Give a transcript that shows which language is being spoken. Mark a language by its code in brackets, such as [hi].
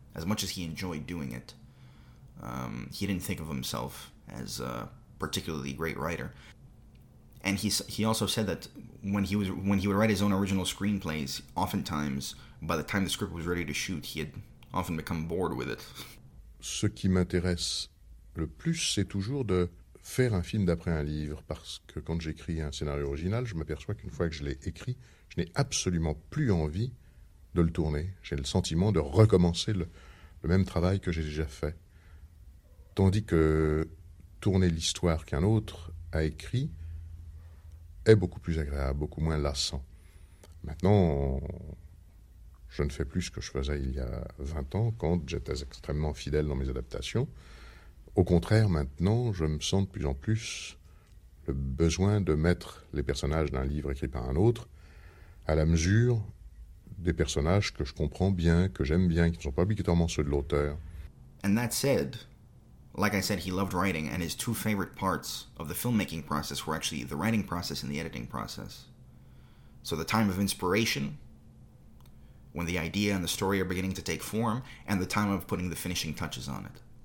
[en] As much as he enjoyed doing it, he didn't think of himself as a particularly great writer. And he also said that when he would write his own original screenplays, oftentimes, by the time the script was ready to shoot, he had often become bored with it. [fr] Ce qui m'intéresse le plus, c'est toujours de faire un film d'après un livre, parce que quand j'écris un scénario original, je m'aperçois qu'une fois que je l'ai écrit, je n'ai absolument plus envie de le tourner. J'ai le sentiment de recommencer le même travail que j'ai déjà fait. Tandis que tourner l'histoire qu'un autre a écrit est beaucoup plus agréable, beaucoup moins lassant. Maintenant, je ne fais plus ce que je faisais il y a 20 ans, quand j'étais extrêmement fidèle dans mes adaptations. Au contraire, maintenant, je me sens de plus en plus le besoin de mettre les personnages d'un livre écrit par un autre à la mesure des personnages que je comprends bien, que j'aime bien, qui ne sont pas obligatoirement ceux de l'auteur. [en] And that said, like I said, he loved writing, and his two favorite parts of the filmmaking process were actually the writing process and the editing process. So the time of inspiration, when the idea and the story are beginning to take form, and the time of putting the finishing touches on it.